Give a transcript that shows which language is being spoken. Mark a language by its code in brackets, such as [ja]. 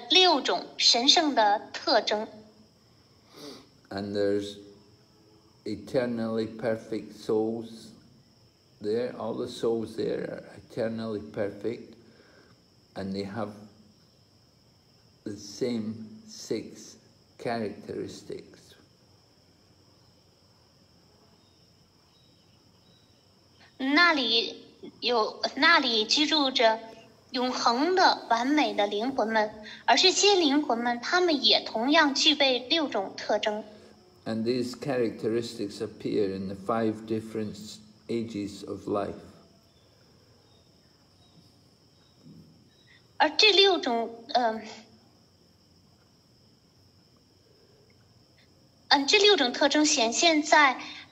[zh] 无忧星宿它没有物质自然三形态，它充满着六种神圣的特征。 [en] And there's eternally perfect souls there, all the souls there are eternally perfect, and they have the same six characteristics. [zh] 那里居住着永恒的完美的灵魂们，而这些灵魂们，他们也同样具备六种特征。 [en] And these characteristics appear in the five different ages of life. [zh] 而这六种特征显现在